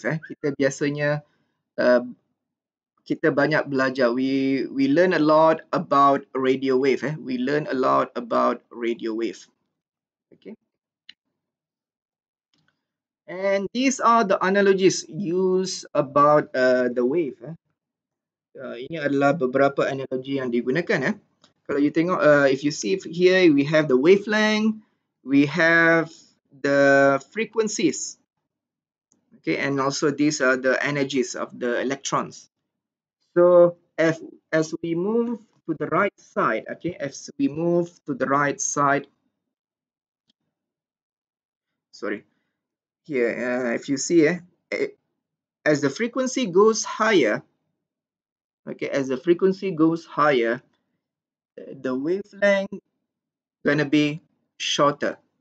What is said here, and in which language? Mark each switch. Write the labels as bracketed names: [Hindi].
[Malay] Kita biasanya kita banyak belajar. [English] We learn a lot about radio wave. We learn a lot about radio wave. Okay. And these are the analogies used about the wave. [Malay] Ini adalah beberapa analogi yang digunakan. Kalau you tengok, [English] if you see here, we have the wavelength, we have the frequencies. Okay, and also these are the energies of the electrons. So as we move to the right side, okay, as we move to the right side, sorry, here, if you see, as the frequency goes higher, okay, as the frequency goes higher, the wavelength gonna be shorter.